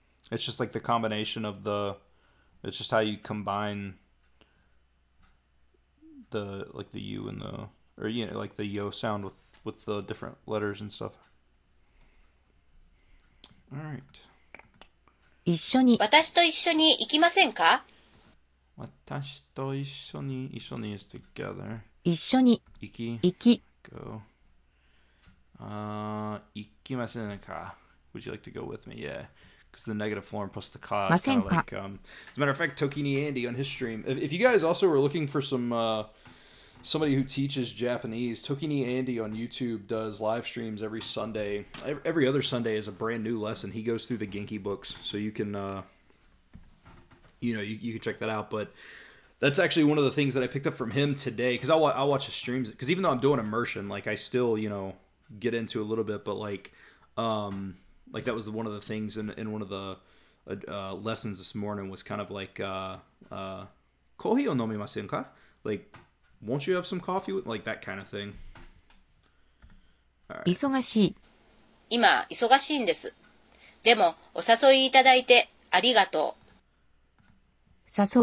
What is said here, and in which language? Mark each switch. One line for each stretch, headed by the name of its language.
English: It's just like the combination of the. It's just how you combine the like the U and the or like the yo sound with the different letters and stuff. All right.
Japanese: 一緒に、私と一緒に行きませんか？私と一緒に
English: is together.
Japanese: 一緒に、 Iki, 行き。
English: go.
Japanese: Ikimasen ka.
English: Would you like to go with me? Yeah, because the negative form plus the ka is
Japanese: ませ
English: kind
Japanese: ん
English: of
Japanese: か？
English: like as a matter of fact, Tokini Andy on his stream. If you guys also were looking for some somebody who teaches Japanese, Tokini Andy on YouTube does live streams every Sunday. Every other Sunday is a brand new lesson. He goes through the Genki books, so you can you can check that out. But that's actually one of the things that I picked up from him today. Because I'll watch his streams. Because even though I'm doing immersion, like I still get into a little bit, but like that was one of the things in one of the lessons this morning was kind of like
Japanese: Kohi o nomimasen ka?
English: Like, won't you have some coffee with like that kind of thing? All right.
Japanese: 忙しい。今、忙しいんです。でも、お誘いいただいてありがとう。